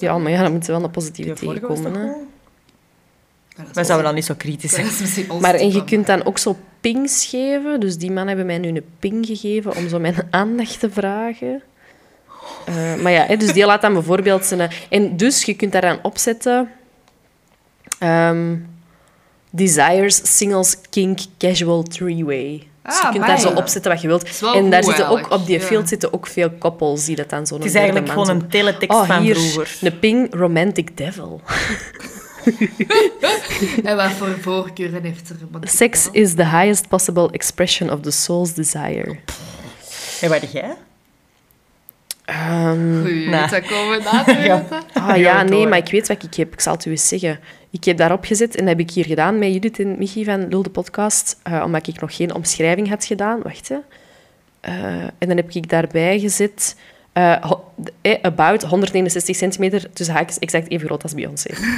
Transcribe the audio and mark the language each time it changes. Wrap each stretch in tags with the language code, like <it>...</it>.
<nl>Ja, maar ja, dan moet je wel een positieve tegenkomen. Wij zouden dan niet zo kritisch zijn. Maar en je kunt dan ook zo pings geven. Dus die man hebben mij nu een ping gegeven om zo mijn aandacht te vragen. Maar ja, dus die laat dan bijvoorbeeld zijn... En dus, je kunt daaraan opzetten...</nl> <en>Desires, singles, kink, casual, three-way.</en> <nl>Dus je kunt daar zo opzetten wat je wilt. En daar zitten ook, op die field zitten ook veel koppels die dat dan zo... Het is eigenlijk gewoon een teletext van vroeger. Oh, hier, een ping, romantic devil. En wat voor voorkeuren heeft er een man?</nl> <en>Sex is the highest possible expression of the soul's desire.</en> <nl>En wat jij? Goeie, dat komen we na te weten. Ja. Ah ja, nee, maar ik weet wat ik heb. Ik zal het u eens zeggen. Ik heb daarop gezet en dat heb ik hier gedaan met Judith en Michi van Lul de Podcast, omdat ik nog geen omschrijving had gedaan. Wacht, hè. En dan heb ik daarbij gezet...</nl> <en>about 169 centimeter</en> <nl>tussen haakjes, exact even groot als Beyoncé.</nl>